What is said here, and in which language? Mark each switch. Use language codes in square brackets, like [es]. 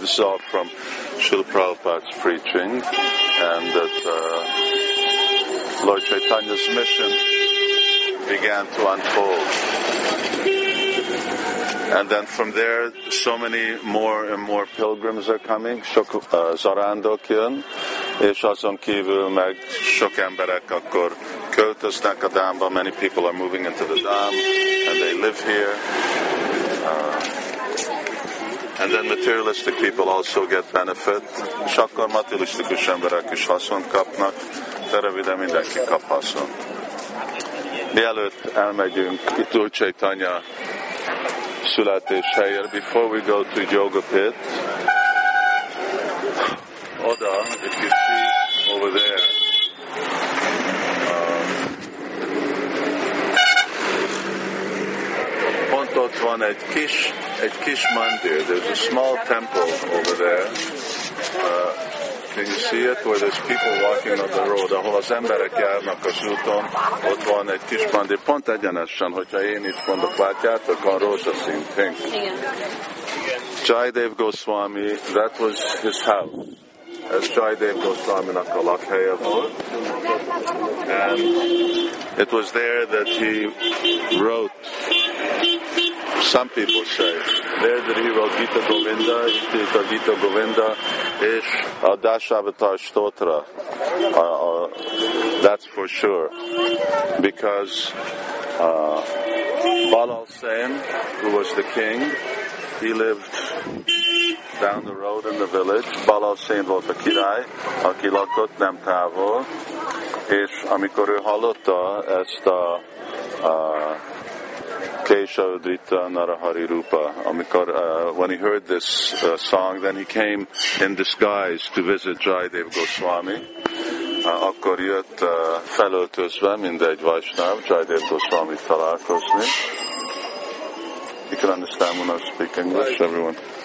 [en] This is all from Srila Prabhupada's preaching, and that Lord Chaitanya's mission began to unfold. And then from there, so many more and more pilgrims are coming. [hu] Zarándokjön, és azon kívül meg sok emberek akkor költöznek a dámba. [en] Many people are moving into the dham, and they live here. And then materialistic people also get benefit. [hu] És akkor materialistikus emberek is haszont kapnak. Teravide mindenki kap haszont. Mielőtt elmegyünk itt Úr Csaitanya születéshelyére, [en] before we go to Yoga Pit, [hu] oda, [en] if you see over there, [hu] pont ott van egy kis mandir, [en] there's a small temple over there. Can you see it? Where there's people walking on the road. [hu] Ahol az emberek járnak az úton, ott van egy kis mandir. Pont egyenesen, hogyha én itt mondok, látjátok, van rózsaszín. Pink. [en] Jaidev Goswami, that was his house. [hu] Ez Jaidev Goswami-nak a lakhelye volt. [en] And it was there that he wrote, some people say, there that he wrote Gita Govinda, he wrote Gita Govinda, [hu] és a [en] Dashavatar Stotra, that's for sure, because Balal Sen, who was the king, he lived down the road in the village. [hu] Balal Sen volt a király, aki lakott nem távol, és amikor ő hallotta ezt a Kesha Udrita Narahari Rupa, amikor, [en] when he heard this song, [hu] then he came in disguise to visit Jaidev Goswami. Akkor jött felöltözve, mindegy Vaishnav, Jaidev Goswami találkozni. [en] You can understand when I speak English, everyone.